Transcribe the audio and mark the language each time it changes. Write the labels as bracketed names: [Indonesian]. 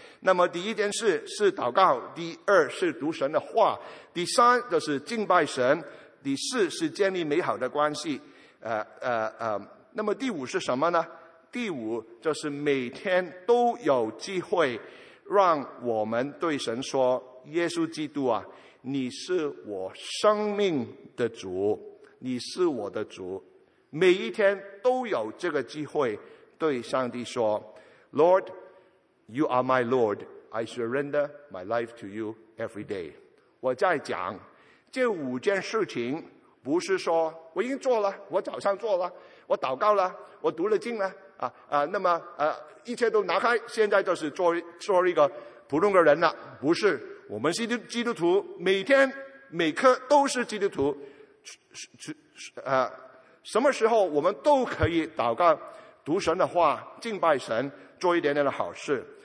[Chinese] 那么第一件事是祷告，第二是读神的话，第三就是敬拜神，第四是建立美好的关系，那么第五是什么呢？第五就是每天都有机会让我们对神说，耶稣基督啊，你是我生命的主，你是我的主。每一天都有这个机会对上帝说， [English] Lord, you are my Lord, I surrender my life to you every day。 [Chinese] 我在讲这五件事情，不是说我已经做了，我早上做了，我祷告了，我读了经了那么一切都拿开，现在就是做一个普通的人了。不是，我们是基督徒，每天每刻都是基督徒，什么时候我们都可以祷告，读神的话，敬拜神，做一点点的好事。